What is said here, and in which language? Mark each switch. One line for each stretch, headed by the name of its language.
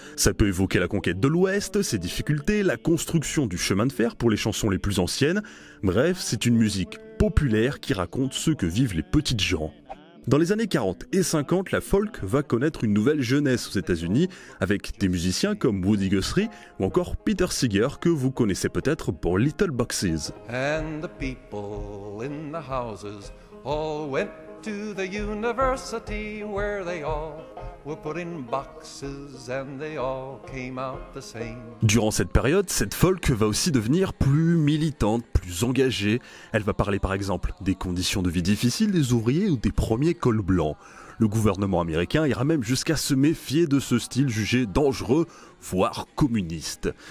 French: Ça peut évoquer la conquête de l'Ouest, ses difficultés, la construction du chemin de fer pour les chansons les plus anciennes. Bref, c'est une musique populaire qui raconte ce que vivent les petites gens. Dans les années 40 et 50, la folk va connaître une nouvelle jeunesse aux États-Unis avec des musiciens comme Woody Guthrie ou encore Peter Seeger que vous connaissez peut-être pour Little Boxes.
English: And the people in the houses all went to the university where they all were put in boxes and they all came out the same.
French: Durant cette période, cette folk va aussi devenir plus militante, plus engagée. Elle va parler par exemple des conditions de vie difficiles des ouvriers ou des premiers cols blancs. Le gouvernement américain ira même jusqu'à se méfier de ce style jugé dangereux, voire communiste.